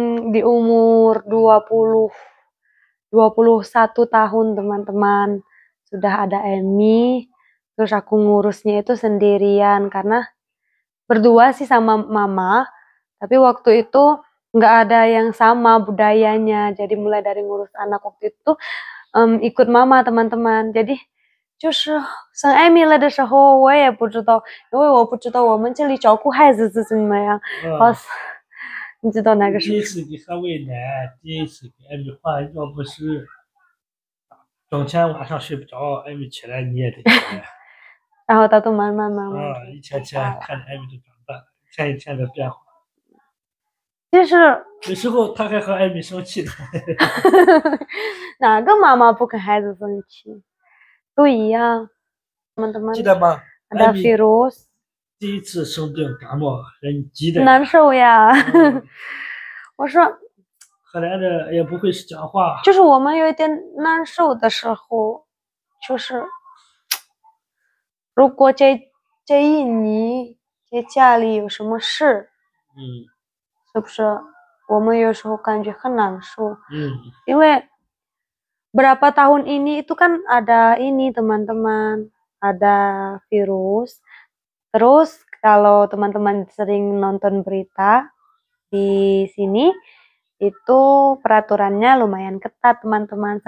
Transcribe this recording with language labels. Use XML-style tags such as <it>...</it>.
<id>di umur 21 tahun teman-teman sudah ada Emmy terus aku ngurusnya itu sendirian karena berdua sih sama mama tapi waktu itu gak ada yang sama budayanya jadi mulai dari ngurus anak waktu itu ikut mama teman-teman jadi</id> <zh>就是生艾米了的时候，我也不知道，因为我不知道我们这里照顾孩子是怎么样。你知道那个是？第一次给他喂奶，第一次给艾米换尿不湿，整天晚上睡不着，艾米起来你也得起来。然后他都慢慢一天天看着艾米的长大，一天一天的变化。其实有时候他还和艾米生气呢。哪个妈妈不跟孩子生气？都一样，teman-teman。记得吗？</zh> <id>ada virus。</id> <zh>第一次生病感冒，人急的。难受呀！我说。可怜的也不会讲话。就是我们有一点难受的时候，就是，如果这一年在家里有什么事，嗯，是不是？我们有时候感觉很难受。嗯。因为。</zh> <id>Berapa tahun ini itu kan ada ini teman-teman, ada virus. Terus kalau teman-teman sering nonton berita di sini, itu peraturannya lumayan ketat teman-teman.</id>